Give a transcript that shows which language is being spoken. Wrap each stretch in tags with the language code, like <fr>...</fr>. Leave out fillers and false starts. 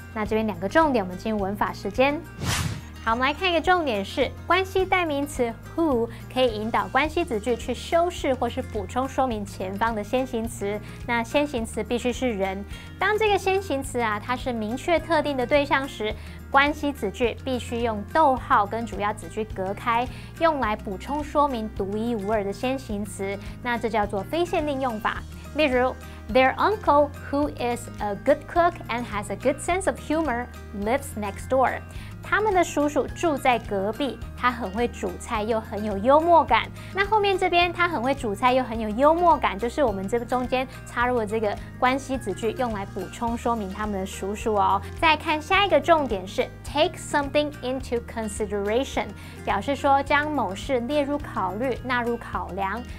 <zh>那这边两个重点，我们进入文法时间。好，我们来看一个重点是关系代名词 who 可以引导关系子句去修饰或是补充说明前方的先行词。那先行词必须是人，当这个先行词啊它是明确特定的对象时，关系子句必须用逗号跟主要子句隔开，用来补充说明独一无二的先行词。那这叫做非限定用法。例如</zh> <en>Their uncle, who is a good cook and has a good sense of humor, lives next door.</en> <zh>他们的叔叔住在隔壁，他很会煮菜又很有幽默感。那后面这边他很会煮菜又很有幽默感，就是我们这中间插入的这个关系子句，用来补充说明他们的叔叔哦。再看下一个重点是</zh> <en>take something into consideration，</en> <zh>表示说将某事列入考虑、纳入考量。</zh>